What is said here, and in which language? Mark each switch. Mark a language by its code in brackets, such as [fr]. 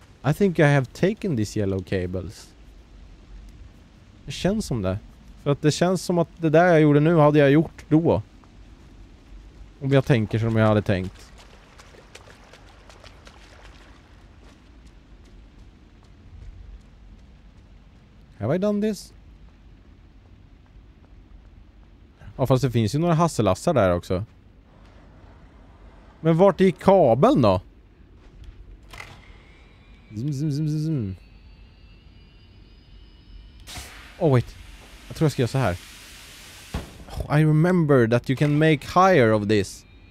[en] I think I have taken these yellow cables. [sv] Det känns som det. För att det känns som att det där jag gjorde nu hade jag gjort då. Om jag tänker som jag hade tänkt. [en] Have I done this? [sv] Ja, fast det finns ju några hasselassar där också. Men vart är kabeln då? Zim, zim, zim, zim. [en] Oh wait. [sv] Jag tror jag ska göra så här. [en] Oh, I remember that you can make higher of this.